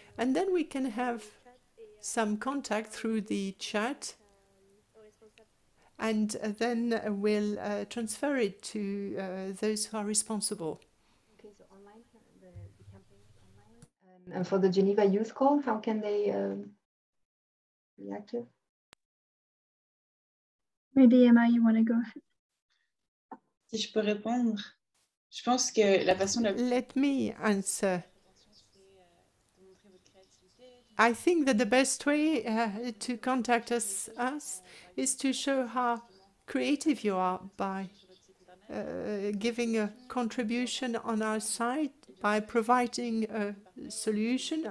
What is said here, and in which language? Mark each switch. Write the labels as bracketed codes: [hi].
[en] And then we can have some contact through the chat, and then we'll transfer it to those who are responsible. Okay, so online, the campaign is online. And for the Geneva Youth Call, how can they be active? Maybe Emma, you want to go ahead. [fr] Si je peux répondre, je pense que la façon de. [en] Let me answer. I think that the best way to contact us is to show how creative you are by giving a contribution on our site, by providing a solution.